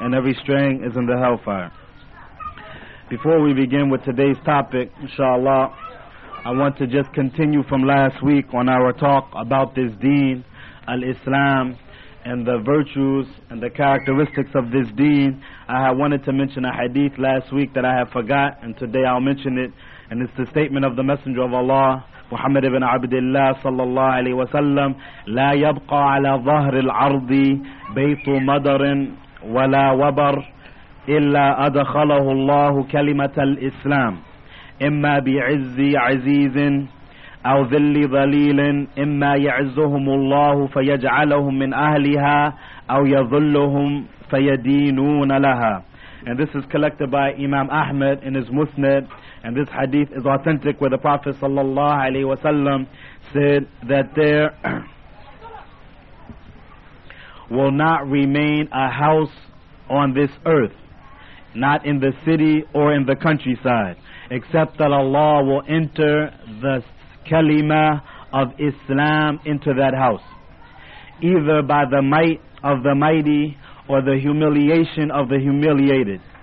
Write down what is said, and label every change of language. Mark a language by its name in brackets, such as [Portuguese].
[English] And every string is in the hellfire. Before we begin with today's topic, inshallah, I want to just continue from last week on our talk about this deen, al-Islam, and the virtues and the characteristics of this deen. I have wanted to mention a hadith last week that I have forgot, and today I'll mention it. And it's the statement of the Messenger of Allah, Muhammad ibn Abdullah sallallahu alayhi wa sallam, [Arabic] لا يبقى على ظهر الأرض بيت مدر ولا وبر إلا أدخله الله كلمة الإسلام إما بعزي عزيز أو ذلي ظليل إما يعزهم الله فيجعلهم من أهلها أو يظلهم فيدينون لها. [English] And this is collected by Imam Ahmed in his Musnad, and this hadith is authentic, where the Prophet sallallahu alaihi wasallam said that there will not remain a house on this earth, not in the city or in the countryside, except that Allah will enter the kalima of Islam into that house, either by the might of the mighty or the humiliation of the humiliated.